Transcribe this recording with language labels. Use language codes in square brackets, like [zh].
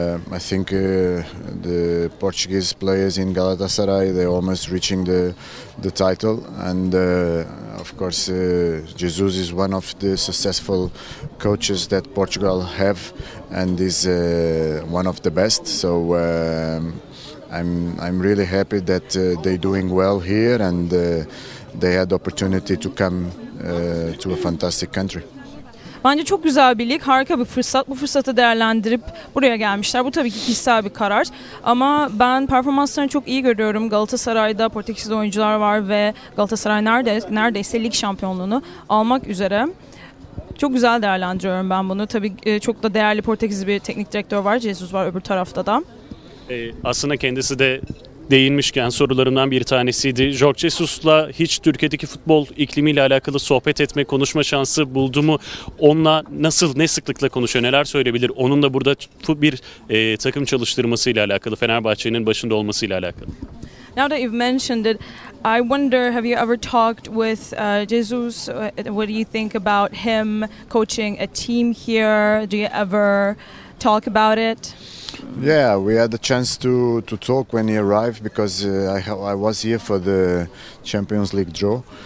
[en] I think the Portuguese players in Galatasaray, they're almost reaching the title, and of course Jesus is one of the successful coaches that Portugal have, and is one of the best. So I'm really happy that they're doing well here, and they had the opportunity to come to a fantastic country. [tr] Bence çok güzel bir lig, harika bir fırsat. Bu fırsatı değerlendirip buraya gelmişler. Bu tabii ki kişisel bir karar. Ama ben performanslarını çok iyi görüyorum. Galatasaray'da Portekizli oyuncular var ve Galatasaray neredeyse lig şampiyonluğunu almak üzere. Çok güzel değerlendiriyorum ben bunu. Tabii çok da değerli Portekizli bir teknik direktör var. Jesus var öbür tarafta da. Aslında kendisi de değinmişken sorularımdan bir tanesiydi. Jorge Jesus'la hiç Türkiye'deki futbol iklimiyle alakalı sohbet etme, konuşma şansı buldu mu? Onunla nasıl, ne sıklıkla konuşuyor, neler söyleyebilir? Onun da burada bir takım çalıştırmasıyla alakalı, Fenerbahçe'nin başında olmasıyla alakalı. [en] Now that you've mentioned it, I wonder, have you ever talked with Jesus? What do you think about him coaching a team here? Do you ever talk about it? Yeah, we had the chance to talk when he arrived, because I was here for the Champions League draw.